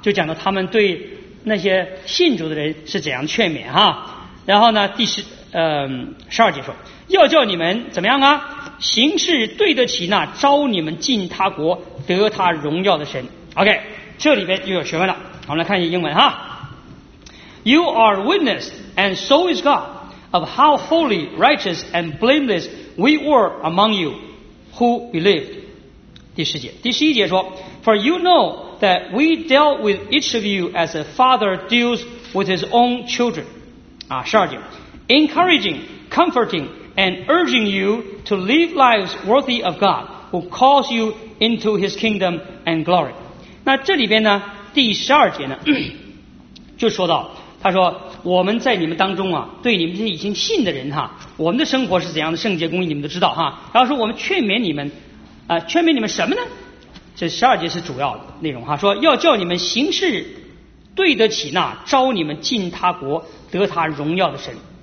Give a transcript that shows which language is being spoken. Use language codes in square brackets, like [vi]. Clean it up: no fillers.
[zh] 就讲到他们对那些信主的人是怎样劝勉哈。然后呢第十二节说，要叫你们怎么样啊，行事对得起那招你们进他国得他荣耀的神。 OK， 这里边又有学问了，我们来看一下英文哈。 [en] You are witness and so is God of how holy, righteous and blameless we were among you who believed. [zh] 第十一节说， [en] For you know that we dealt with each of you as a father deals with his own children12节 encouraging, comforting, and urging you to live lives worthy of God who calls you into his kingdom and glory. [zh] 那这里边呢第十二节呢就说到，他说我们在你们当中啊，对你们这些已经信的人哈，我们的生活是怎样的圣洁公义你们都知道哈。然后说我们劝勉你们劝勉你们什么呢？这十二节是主要的内容哈，说要叫你们行事对得起那招你们进他国得他荣耀的神。